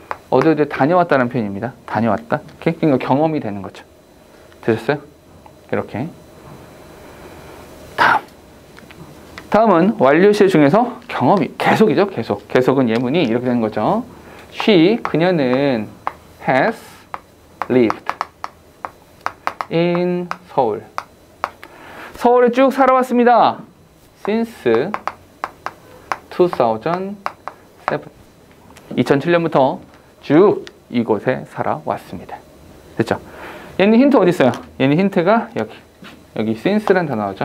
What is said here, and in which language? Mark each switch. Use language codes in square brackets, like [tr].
[ko] 어디 다녀왔다는 표현입니다. 다녀왔다. 그러니까 경험이 되는 거죠. 들었어요? 이렇게. 다음은 완료시 중에서 경험이 계속이죠. 계속. 계속은 예문이 이렇게 되는 거죠. [en] She, [ko] 그녀는 [en] has lived in 서울. [ko] 서울에 쭉 살아왔습니다. [en] Since 2007. [ko] 2007년부터 쭉 이곳에 살아왔습니다. 됐죠? 얘는 힌트 어디 있어요? 얘는 힌트가 여기. 여기 since라는 단어 나오죠.